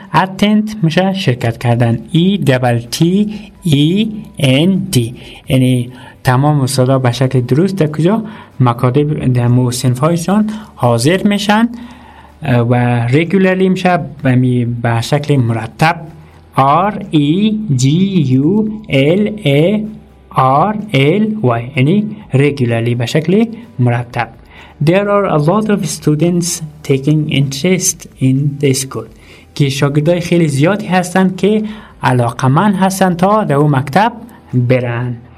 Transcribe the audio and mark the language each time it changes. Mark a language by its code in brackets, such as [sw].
[fa] attend میشه شرکت کردن. E-T-T-E-N-T یعنی تمام استادا به شکل درست در کجا مکاتب در مو صنفهاشون حاضر میشن و regularly میشه به شکل مرتب R-E-G-U-L-A-R-L-Y یعنی regularly به شکل مرتب. [en] There are a lot of students taking interest in this school. [fa] که شاگردای خیلی زیادی هستند که علاقمند هستند تا در اون مکتب برن.